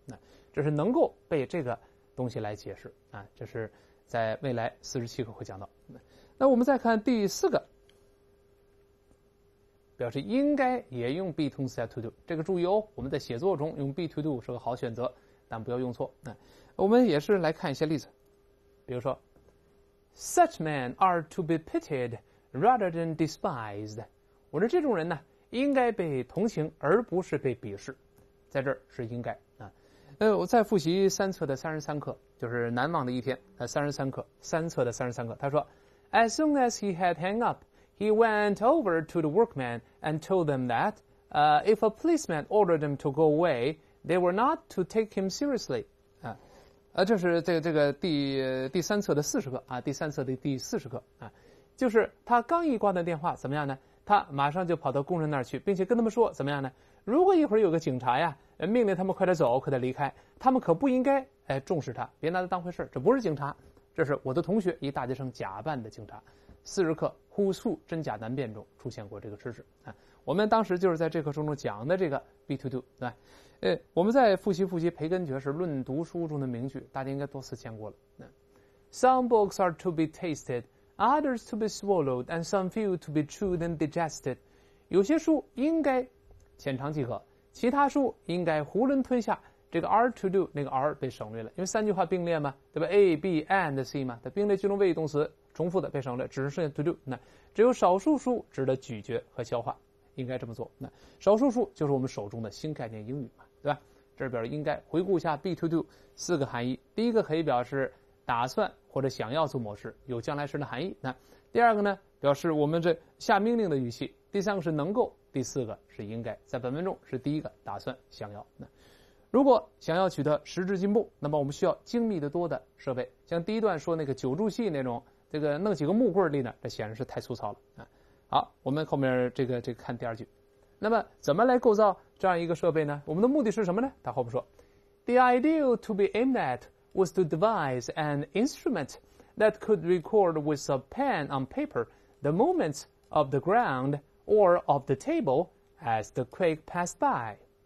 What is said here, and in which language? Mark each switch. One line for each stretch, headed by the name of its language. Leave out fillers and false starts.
Chinese: 那这是能够被这个东西来解释啊，这是在未来47课会讲到。那我们再看第四个。表示应该也用 be 动词加 to do， 这个注意哦，我们在写作中用 be to do 是个好选择，但不要用错。我们也是来看一些例子。比如说
English: ,such men are to be pitied rather than despised.
Chinese: 我说这种人呢应该被同情而不是被鄙视。在这儿是应该。我再复习三册的33课，就是难忘的一天，三册的33课。他说
English: ,as soon as he had hung up, he went over to the workmen and told them that,if a policeman ordered them to go away, they were not to take him seriously.
Chinese: 这是这个第三册的第40课。就是他刚一挂断电话怎么样呢，他马上就跑到工人那儿去，并且跟他们说怎么样呢，如果一会儿有个警察呀命令他们快点走，快点离开，他们可不应该重视他，别拿他当回事，这不是警察，这是我的同学，一大学生假扮的警察。 40课互诉真假难辨中出现过这个知识。我们当时就是在这课中讲的这个 be to do, 对吧，我们再复习复习培根爵士论读书中的名句，大家应该多次见过了。
English: Some books are to be tasted, others to be swallowed, and some few to be chewed and digested.
Chinese: 有些书应该浅尝即可，其他书应该囫囵吞下。这个 are to do, 那个 are 被省略了，因为三句话并列嘛，对吧 ?A, B, and C 嘛，它并列句中谓语动词，重复的被省略，只剩下 to do, 那只有少数书值得咀嚼和消化。应该这么做，那少数书就是我们手中的新概念英语嘛，对吧，这表示应该。回顾一下 be to do 4个含义，第一个可以表示打算或者想要做某事，有将来时的含义，那第二个呢表示我们这下命令的语气，第三个是能够，第四个是应该，在本文中是第一个打算想要。那如果想要取得实质进步，那么我们需要精密的多的设备，像第一段说那个九柱戏那种，这个弄几个木棍立那，这显然是太粗糙了啊。好，我们后面这个看第二句。那么怎么来构造这样一个设备呢？我们的目的是什么呢？他后面说
English: ,The idea to be aimed at was to devise an instrument that could record with a pen on paper the movements of the ground or of the table as the quake passed by.